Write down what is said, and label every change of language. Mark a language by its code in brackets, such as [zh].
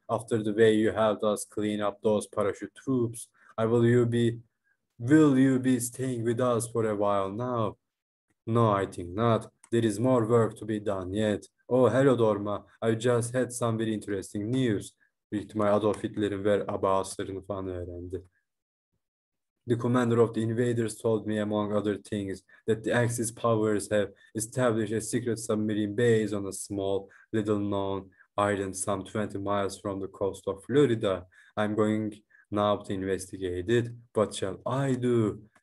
[en] After the way you helped us clean up those parachute troops, will you be staying with us for a while now? No, I think not. There is more work to be done yet. Oh, hello Dorma. I just had some very interesting news. [tr] Büyük ihtimal Adolf Hitler'in ve Abbas'ların falan öğrendi. [en] The commander of the invaders told me, among other things, that the Axis powers have established a secret submarine base on a small, little-known island some 20 miles from the coast of Florida. I'm going now to investigate it. What shall I do?